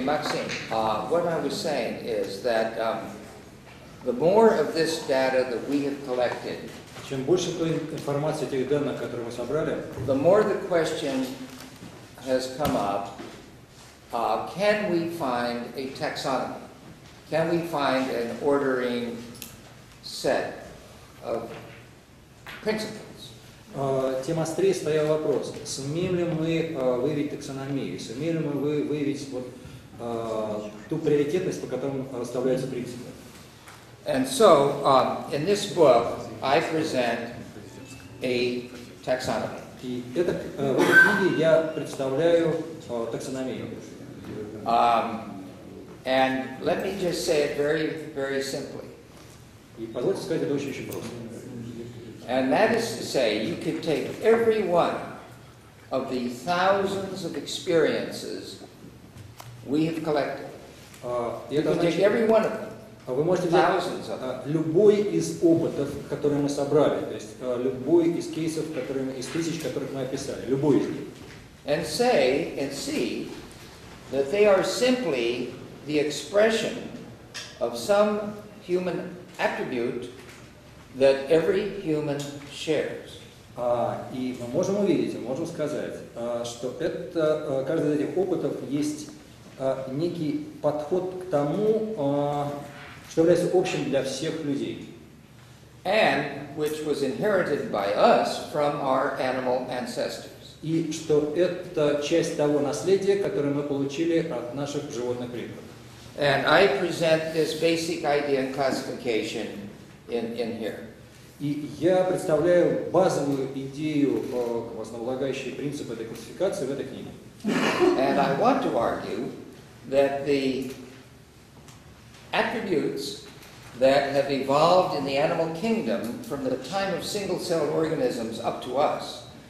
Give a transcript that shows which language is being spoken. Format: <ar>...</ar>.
<en>Maxine, what I was saying is that the more of this data that we have collected.</en> <ru>Чем больше той информации, тех данных, которые мы собрали,</ru> <en>the more the question has come up, can we find a taxonomy? Can we find an ordering set of principles?</en> <ru>Тем острее стоял вопрос, сумеем ли мы выявить таксономию, сумеем ли мы выявить вот ту приоритетность, по которой расставляются принципы?</ru> <en>And so, in this book, I present a taxonomy.</en> <ru>И это в этой книге я представляю таксономию.</ru> <en>And let me just say it very, very simply.</en> <ru>И позвольте сказать это очень просто.</ru> <en>And that is to say, you could take every one of the thousands of experiences we have collected. You can take every one of them.</en> <ru>Вы можете взять любой из опытов, которые мы собрали, то есть любой из кейсов, которые мы, из тысяч, которых мы описали, любой из них.</ru> <en>And say and see that they are simply the expression of some human attribute that every human shares.</en> <ru>И мы можем увидеть, мы можем сказать, что это каждый из этих опытов есть некий подход к тому, что является общим для всех людей.</ru> <en>And which was inherited by us from our animal ancestors.</en> <ru>И что это часть того наследия, которое мы получили от наших животных предков.</ru> <en>And I present this basic idea and classification in here.</en> <ru>И я представляю базовую идею, основополагающий принцип этой классификации в этой книге.</ru> <en>And I want to argue that the attributes that have evolved in the animal kingdom from the time of single-celled organisms up to us.</en>